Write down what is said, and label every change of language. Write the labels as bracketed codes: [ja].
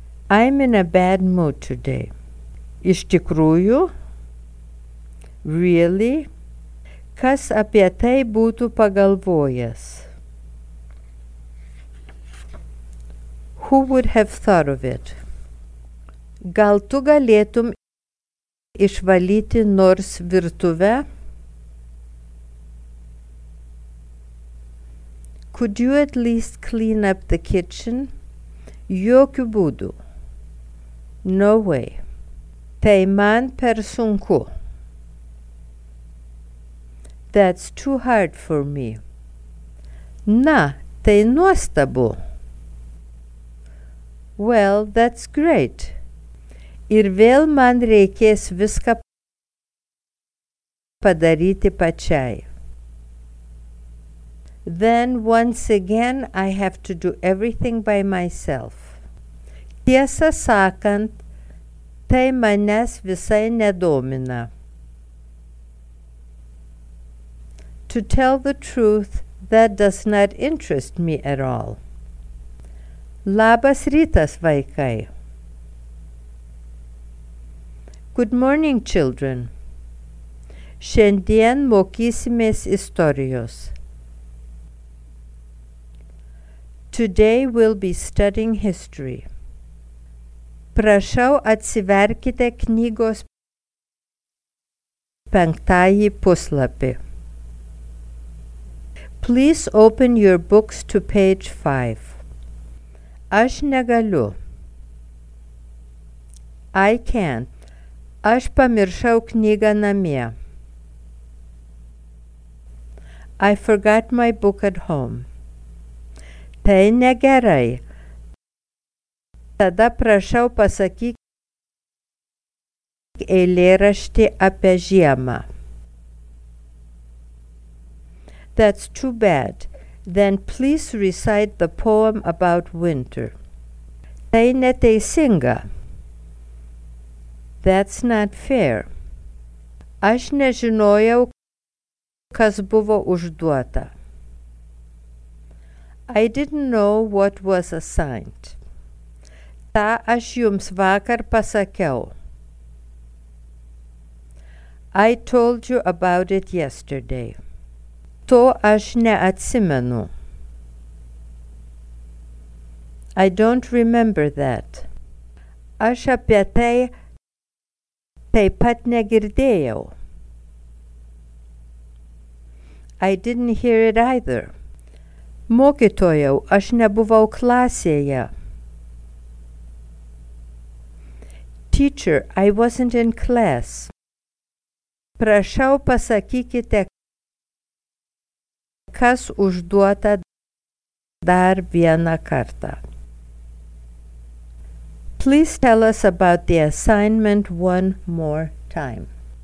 [en] I'm in a bad mood today. [lt] Iš tikrųjų? [en] Really? [lt] Kas apie tai būtų pagalvojęs? [en] Who would have thought of it? [lt] Gal tu galėtum išvalyti nors virtuvę? [en] Could you at least clean up the kitchen? [lt] Jokiu būdu. [en] No way. [lt] Tai man per sunku. [en] That's too hard for me. [lt] Na, tai nuostabu. [en] Well, that's great. [lt] Ir vėl man reikės viską padaryti pačiai. [en] Then once again I have to do everything by myself. [lt] Tiesą sakant, tai manęs visai nedomina. [en] To tell the truth, that does not interest me at all. [lt] Labas rytas, vaikai. [en] Good morning, children. [lt] Šiandien mokysimės istorijos. [en] Today we'll be studying history. [lt] Prašau, atsiverkite knygos penktąjį puslapį. [en] Please open your books to page 5. [lt] Aš negaliu. [en] I can't. [lt] Aš pamiršau knygą namie. [en] I forgot my book at home. [lt] Tai negerai. Tada prašau pasakyk eilėraštį apie žiemą. [en] That's too bad. Then please recite the poem about winter. [lt] Tai neteisinga. [en] That's not fair. [lt] Aš nežinojau, kas buvo užduota. [en] I didn't know what was assigned. [lt] Tą aš jums vakar pasakiau. [en] I told you about it yesterday. [lt] To aš neatsimenu. [en] I don't remember that. [lt] Aš apie tai taip pat negirdėjau. [en] I didn't hear it either. [lt] Mokytojau, aš nebuvau klasėje. [en] Teacher, I wasn't in class. [lt] Prašau pasakykite, kas užduota dar vieną kartą. [en] Please tell us about the assignment one more time.